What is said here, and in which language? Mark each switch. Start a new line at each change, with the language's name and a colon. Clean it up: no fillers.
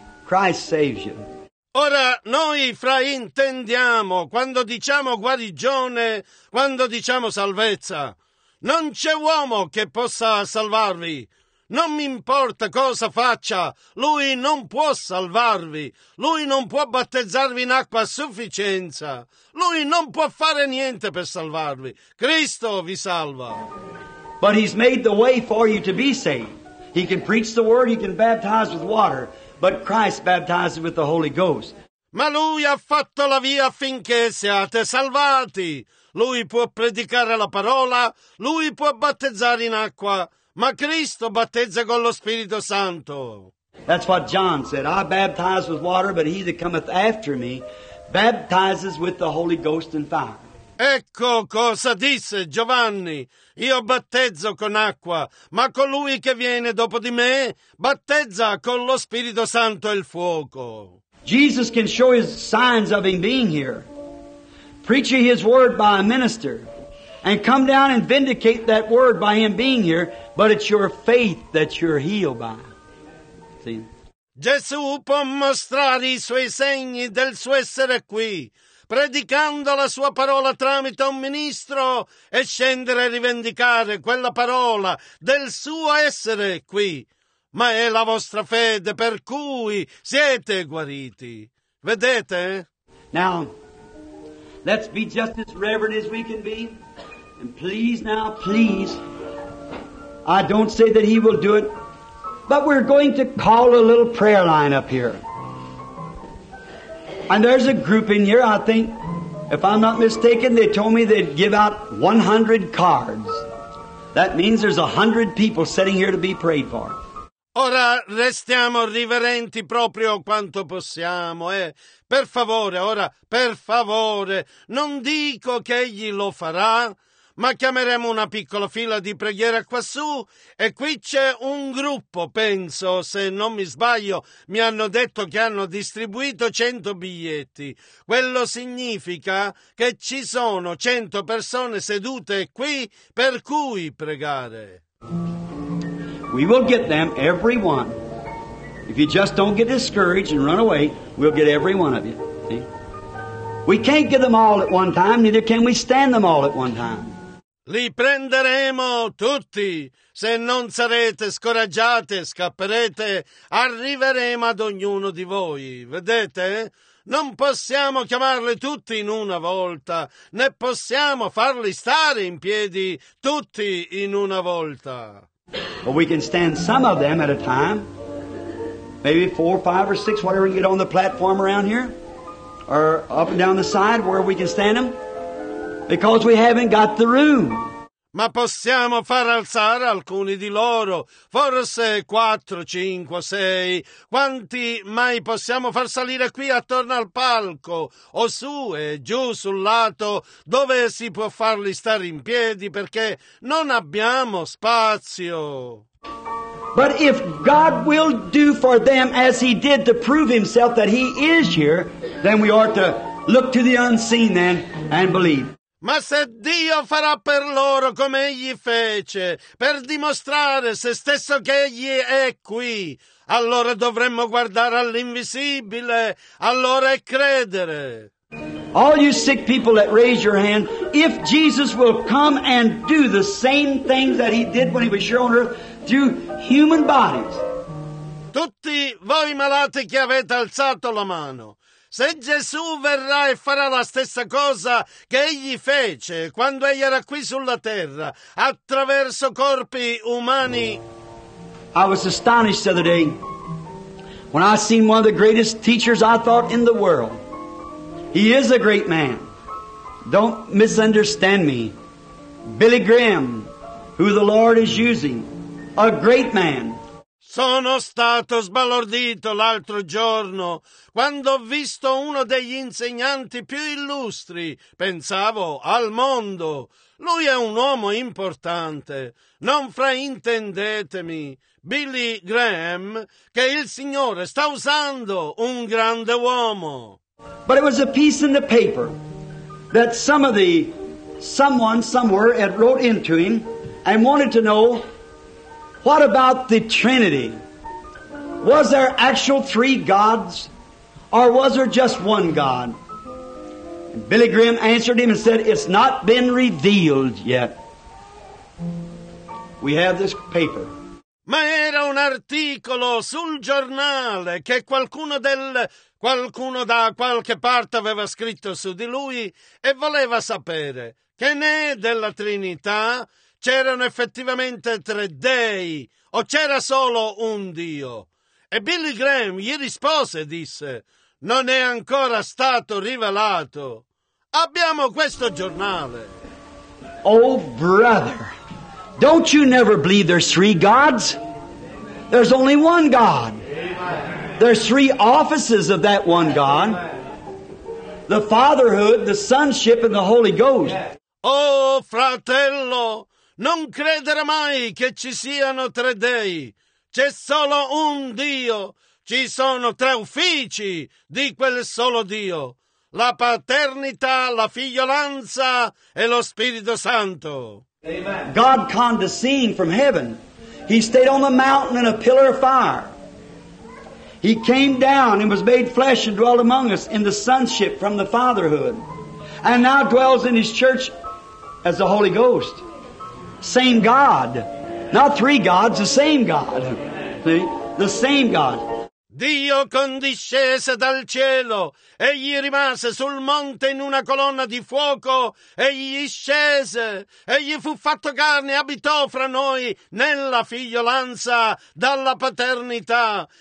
English: Christ saves you.
Italian: Ora, noi fraintendiamo quando diciamo guarigione, quando diciamo salvezza. Non c'è uomo che possa salvarvi. Non mi importa cosa faccia, lui non può salvarvi. Lui non può battezzarvi in acqua a sufficienza. Lui non può fare niente per salvarvi. Cristo vi salva.
English: But he's made the way for you to be saved. He can preach the word, he can baptize with water, but Christ baptizes with the Holy Ghost.
Italian: Ma lui ha fatto la via affinché siate salvati. Lui può predicare la parola, lui può battezzare in acqua, ma Cristo battezza con lo Spirito Santo.
English: That's what John said. I baptize with water, but he that cometh after me baptizes with the Holy Ghost and fire.
Italian: Ecco cosa disse Giovanni. Io battezzo con acqua, ma colui che viene dopo di me battezza con lo Spirito Santo e il fuoco.
English: Jesus can show his signs of him being here, preaching his word by a minister, and come down and vindicate that word by him being here, but it's your faith that you're healed by. See?
Italian: Gesù può mostrare i suoi segni del suo essere qui, predicando la sua parola tramite un ministro e scendere a rivendicare quella parola del suo essere qui. Ma è la vostra fede per cui siete guariti. Vedete?
English: Now, let's be just as reverent as we can be. And please now, please, I don't say that he will do it, but we're going to call a little prayer line up here. And there's a group in here, I think, if I'm not mistaken, they told me they'd give out 100 cards. That means there's 100 people sitting here to be prayed for.
Italian: Ora restiamo riverenti proprio quanto possiamo, per favore, ora, per favore, non dico che egli lo farà, ma chiameremo una piccola fila di preghiera quassù e qui c'è un gruppo, penso, se non mi sbaglio, mi hanno detto che hanno distribuito 100 biglietti. Quello significa che ci sono 100 persone sedute qui per cui pregare.
English: We will get them, every one. If you just don't get discouraged and run away, we'll get every one of you. See? We can't get them all at one time, neither can we stand them all at one time.
Italian: Li prenderemo tutti. Se non sarete scoraggiati, scapperete, arriveremo ad ognuno di voi. Vedete? Non possiamo chiamarli tutti in una volta, né possiamo farli stare in piedi tutti in una volta.
English: But we can stand some of them at a time, maybe 4, 5, or 6, whatever, and get on the platform around here, or up and down the side where we can stand them, because we haven't got the room.
Italian: Ma possiamo far alzare alcuni di loro, forse 4, 5, 6, quanti mai possiamo far salire qui attorno al palco, o su e giù sul lato, dove si può farli stare in piedi, perché non abbiamo spazio.
English: But if God will do for them as He did to prove Himself that He is here, then we ought to look to the unseen then and believe.
Italian: Ma se Dio farà per loro come egli fece, per dimostrare se stesso che egli è qui, allora dovremmo guardare all'invisibile, allora e credere.
English: All you sick people that raise your hand, if Jesus will come and do the same things that He did when He was here on earth through human bodies.
Italian: Tutti voi malati che avete alzato la mano, se Gesù verrà e farà la stessa cosa che egli fece quando egli era qui sulla terra attraverso corpi umani.
English: I was astonished the other day when I seen one of the greatest teachers I thought in the world. He is a great man. Don't misunderstand me. Billy Graham, who the Lord is using, a great man.
Italian: Sono stato sbalordito l'altro giorno quando ho visto uno degli insegnanti più illustri, pensavo, al mondo. Lui è un uomo importante. Non fraintendetemi. Billy Graham, che il Signore sta usando, un grande uomo.
English: But it was a piece in the paper that someone somewhere had wrote into him and wanted to know, what about the Trinity? Was there actual three gods, or was there just one God? And Billy Graham answered him and said, it's not been revealed yet. We have this paper.
Italian: Ma era un articolo sul giornale che qualcuno da qualche parte aveva scritto su di lui e voleva sapere che ne è della Trinità. C'erano effettivamente tre dei o c'era solo un Dio? E Billy Graham gli rispose e disse, non è ancora stato rivelato. Abbiamo questo giornale.
English: Oh, brother, don't you never believe there's three gods? There's only one God. There's three offices of that one God. The fatherhood, the sonship, and the Holy Ghost.
Italian: Oh, fratello, non credere mai che ci siano tre dei. C'è solo un Dio. Ci sono tre uffici di quel solo Dio. La paternità, la figliolanza e lo Spirito Santo.
English: Amen. God condescending from heaven. He stayed on the mountain in a pillar of fire. He came down and was made flesh and dwelt among us in the sonship from the fatherhood. And now dwells in His church as the Holy Ghost. Same God. Not three gods, the same God. See? The same God.
Italian: Dio condiscese dal cielo. Egli rimase sul monte in una colonna di fuoco. Egli scese. Egli fu fatto carne e abitò fra noi nella figliolanza dalla paternità.